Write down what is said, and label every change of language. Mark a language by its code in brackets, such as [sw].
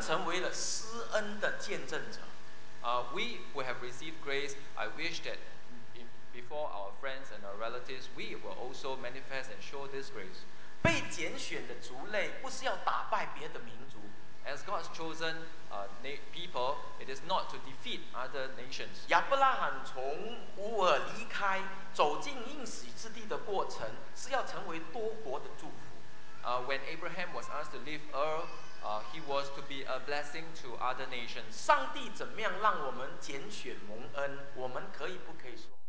[zh] 我盼望我们在世人，在我们的亲朋戚友当中，我们成为了施恩的见证者。 [en] We who have received grace, I wish that before our friends and our relatives, we will also manifest and show this grace. [zh] 被拣选的族类不是要打败别的民族。 [en] As God's chosen people, it is not to defeat other nations. [zh] 亚伯拉罕从乌尔离开，走进应许之地的过程，是要成为多国的祝福。 [en] When Abraham was asked to leave Ur, he was to be a blessing to other nations. [zh] 上帝怎么样让我们拣选蒙恩，我们可以不可以说？